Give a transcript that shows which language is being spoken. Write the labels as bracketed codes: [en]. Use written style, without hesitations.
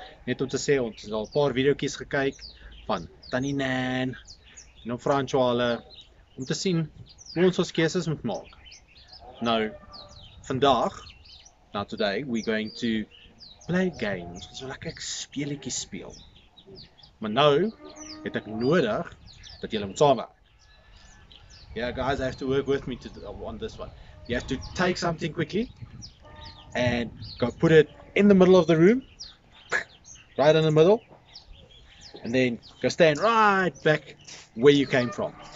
[af] Net om te sê, ons het al paar videokies gekyk van Tannie Nan en om Franchoale om te sien hoe ons keuses moet maak. Nou, vandag, [en] now today, we're going to play games. [af] Ons wil lekker speletjies speel. Maar nou het ek nodig dat julle moet saamwerk. [en] Yeah, guys, I have to work with me on this one. You have to take something quickly and go put it in the middle of the room, right in the middle, and then go stand right back where you came from.